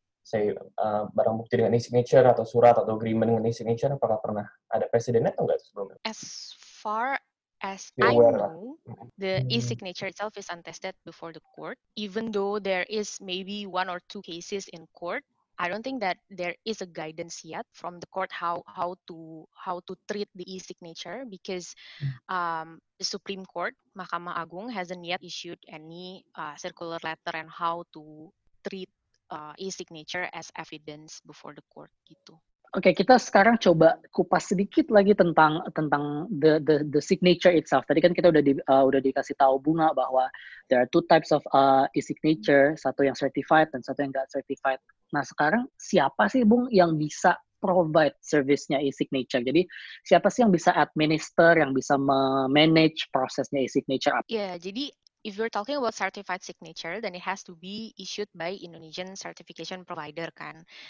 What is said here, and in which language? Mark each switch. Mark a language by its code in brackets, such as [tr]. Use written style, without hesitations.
[id] say barang bukti dengan e-signature atau surat atau agreement dengan e-signature, apakah pernah ada presidennya atau enggak sebelumnya? [en] As far as I know, the e-signature itself is untested before the court. Even though there is maybe one or two cases in court, I don't think that there is a guidance yet from the court how to treat the e-signature, because the Supreme Court, Mahkamah Agung, hasn't yet issued any circular letter on how to treat e-signature as evidence before the court. [id] Gitu. Oke, kita sekarang coba kupas sedikit lagi tentang [en] the signature itself. [id] Tadi kan kita udah dikasih tahu Bunga bahwa [en] there are two types of e-signature, [id] satu yang certified dan satu yang nggak certified. Nah, sekarang siapa sih, Bung, yang bisa provide service-nya e-signature? Jadi, siapa sih yang bisa administer, yang bisa manage prosesnya e-signature? [en] Yeah, jadi if you're talking about certified signature, then it has to be issued by Indonesian certification provider, kan?